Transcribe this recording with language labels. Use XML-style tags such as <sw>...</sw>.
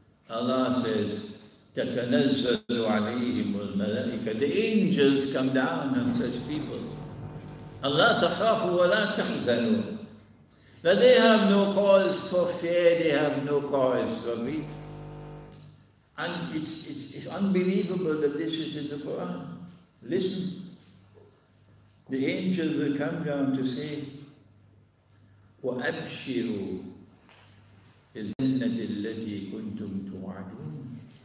<en>Allah says,</en> <ar>تَتَنَزَّلُ عَلَيْهِمُ الْمَلَائِكَةُ.</ar> <en>The angels come down on such people.</en> <ar>Allah تَخَافُوا وَلَا تَحْزَنُوا.</ar> <en>That they have no cause for fear, they have no cause for grief. And it's unbelievable that this is in the Quran. Listen, the angels will come down to say,</en> <ar>وَأَبْشِرُوا بِالْجَنَّةِ الَّتِي كُنْتُمْ تُوَعَدُونَ.</ar>